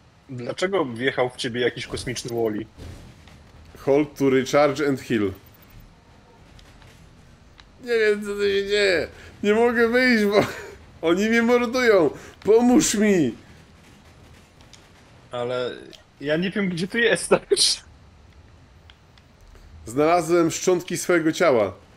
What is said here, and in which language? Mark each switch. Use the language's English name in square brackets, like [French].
[Polish] Dlaczego wjechał w ciebie jakiś kosmiczny Wally? [English] Hold to recharge and heal. [Polish] Nie wiem, co to się dzieje. Nie mogę wyjść, bo oni mnie mordują. Pomóż mi! Ale ja nie wiem, gdzie ty jesteś. Znalazłem szczątki swojego ciała.